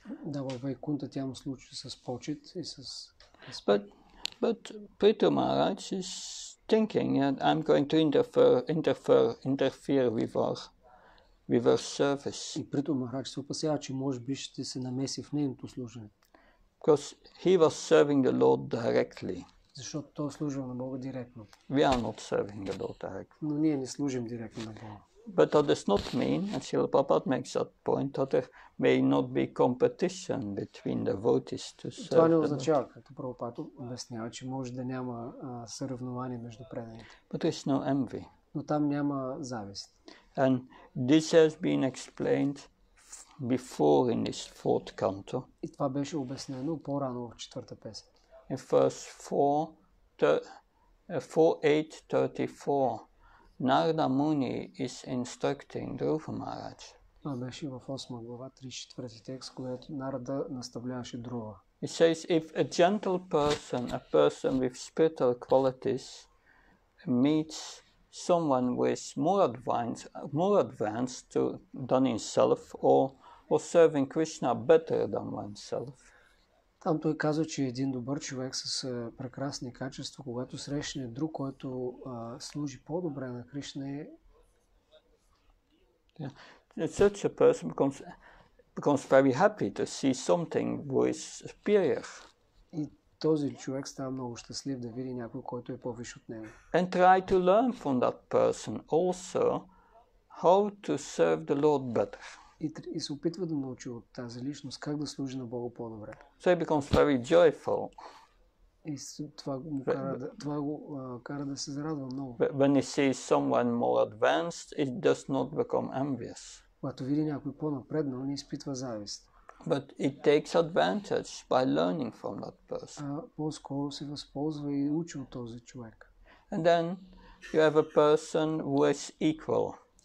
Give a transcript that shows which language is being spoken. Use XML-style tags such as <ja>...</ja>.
<bg>Да, във Вайкунта тя му служи с почет и с.</bg> <en>But Prithu Maharaj is thinking, yeah, I'm going to interfere with our service.</en> <bg>И Прито Махарадж се опасява, че може би ще се намеси в нейното служене.</bg> <en>Because he was serving the Lord directly.</en> <bg>Защото той служил на Бога директно.</bg> <en>We are not serving the Lord directly.</en> <bg>Но ние не служим директно на Бога.</bg> <en>But that does not mean, and Srila Prabhupada makes that point, that there may not be competition between devotees to serve.</en> <bg>Това не означава, като Прабхупада обяснява, че може да няма съревнование между преданите.</bg> <en>But there is no envy.</en> <bg>Но там няма завист.</bg> <en>And this has been explained before in this fourth canto.</en> <bg>И това беше обяснено по-рано в четвърта песен.</bg> <en>In verse 4.8.34. Narada Muni is instructing Dhruva Maharaj.</en> <bg>Това беше в 8 глава, 34 текст, когато Нарада наставляваше Друва.</bg> <en>It says, if a gentle person, a person with spiritual qualities, meets someone who is more advanced than himself, or serving Krishna better than oneself.</en> <bg>Там той казва, че един добър човек с прекрасни качества, когато срещне друг, който служи по-добре на Кришна, е...</bg> <en>Yeah. Such a person becomes very happy to see something who is superior.</en> <bg>И този човек става много щастлив да види някой, който е по-виш от него.</bg> <en>And try to learn from that person also how to serve the Lord better.</en> <bg>И се опитва да научи от тази личност как да служи на Бога по-добре.</bg> <en>So he becomes very joyful.</en> <bg>И това му кара, кара да се зарадва много.</bg> <en>When he sees someone more advanced, it does not become envious.</en> <bg>Когато види някой по-напреднал, не изпитва завист.</bg> <en>But it takes advantage by learning from that person.</en> <bg>По-скоро се възползва и учи от този човек.</bg> <en>And then you have a person who is equal.</en>